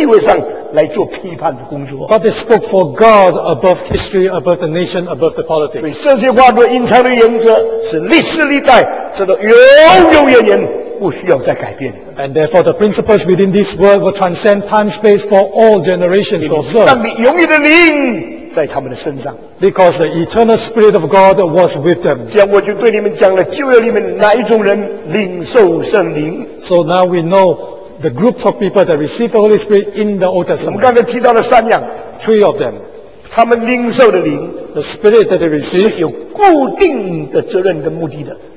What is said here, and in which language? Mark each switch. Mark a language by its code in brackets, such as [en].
[zh] 但是他们都站在一个超政治、超历史、超时代、超民族的神的地位上来做批判的工作。 [en] But they spoke for God above history, above the nation, above the politics. [zh] 对，这些话都隐藏的原则是历史历代，直到永永远远不需要再改变。 [en] And therefore, the principles within this world will transcend time, space for all generations to observe. [zh] 上帝永远的灵。在他们的身上, [en] because the eternal Spirit of God was with them. [zh] 这样我就对你们讲了旧约里面哪一种人领受圣灵。 [en] So now we know the groups of people that received the Holy Spirit in the Old Testament. [zh] 我们刚才提到了三样, [en] three of them. [zh] 他们领受的灵, [en] the Spirit that they received [zh] 是有固定的责任跟目的的,